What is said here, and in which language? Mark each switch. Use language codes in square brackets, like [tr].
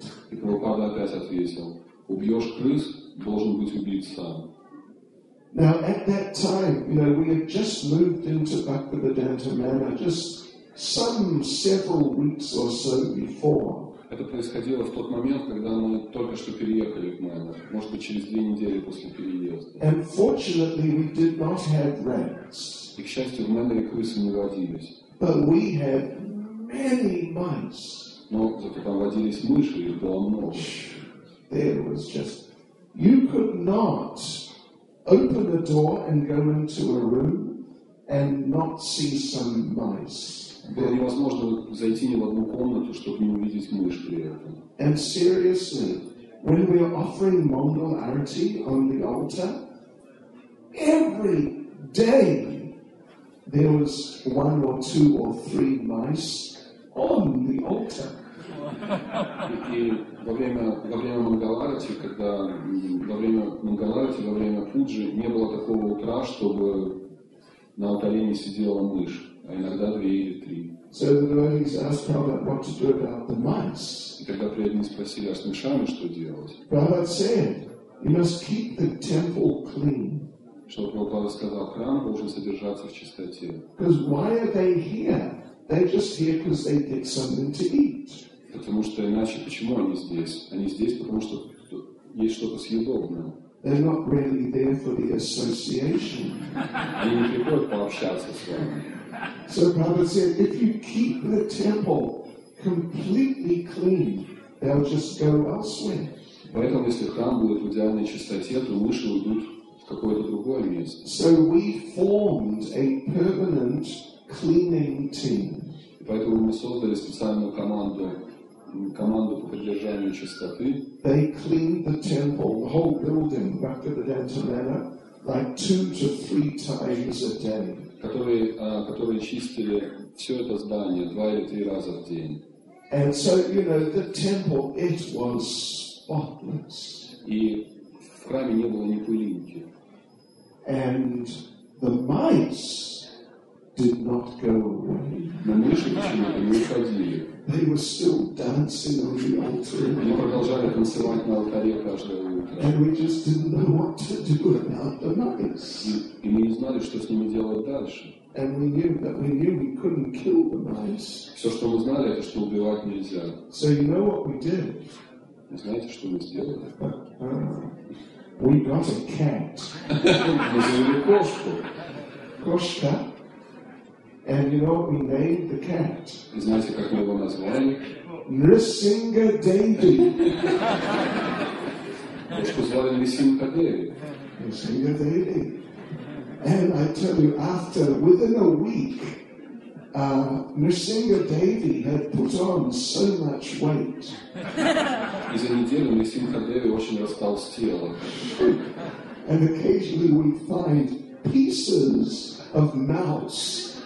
[ru] И Прабхупада опять ответил, убьешь крыс, должен быть убит сам. [en] Now at that time, you know, we had just moved into Bhaktivedanta Manor, just some several weeks or so before. [ru] Это происходило в тот момент, когда мы только что переехали в Майнер. Может быть, через две недели после переезда. [en] And fortunately, we did not have rats. [ru] И, к счастью, в Майнере крысы не водились. [en] But we had many mice. [ru] Но зато там водились мыши, их было много. [en] There was just... You could not open the door and go into a room and not see some mice. [ru] Было невозможно зайти ни в одну комнату, чтобы не увидеть мышь при этом. [en] And seriously, when we are offering mangal arati on the altar, every day there was one or two or three mice on the altar. [ru] И во время мангал арати, когда во время пуджи не было такого утра, чтобы на алтаре не сидела мышь, а иногда две или три. [en] So the devotees asked Prabhupada what to do about the mice. [ru] И тогда преданные спросили, а с мышами что делать? [en] Prabhupada said, you must keep the temple clean. [ru] Что Прабхупада сказал, храм должен содержаться в чистоте. [en] Because why are they here? They're just here because they get something to eat. [ru] Потому что иначе почему они здесь? Они здесь потому что есть что-то съедобное. [en] They're not really there for the association. [ru] Они не приходят пообщаться с вами. [en] So Prabhupada said, if you keep the temple completely clean, they'll just go elsewhere. [ru] Поэтому если храм будет в идеальной чистоте, то мыши уйдут в какое-то другое место. [en] So we formed a permanent cleaning team. [ru] И поэтому мы создали специальную команду. Команду по поддержанию чистоты. [en] They cleaned the temple, the whole building, Bhaktivedanta Manor, like 2 to 3 times a day. [ru] Которые чистили все это здание 2 или 3 раза в день. [en] And so, you know, the temple, it was spotless. [ru] И в храме не было ни пылинки. [en] And the mice did not go away. [ru] Но мыши почему-то не уходили. [en] They were still dancing on the altar. [ru] Они продолжали танцевать на алтаре каждое утро. [en] And we just didn't know what to do about the mice. [ru] И мы не знали, что с ними делать дальше. [en] And we knew that we knew we couldn't kill the mice. [ru] Все, что мы знали, это что убивать нельзя. [en] So you know what we did? [ru] Вы знаете, что мы сделали? [en] We got a cat. [ru] Мы завели кошку. Кошка. [en] And you know what we named the cat? [ru] И знаете, как мы его назвали? Нрисинга Деви. Кошку звали Нрисинга Деви. Нрисинга Деви. [en] And I tell you, after, within a week, Нрисинга Деви had put on so much weight. [ru] И за неделю Нрисинга Деви очень растолстел. [en] And occasionally we find pieces of mouse.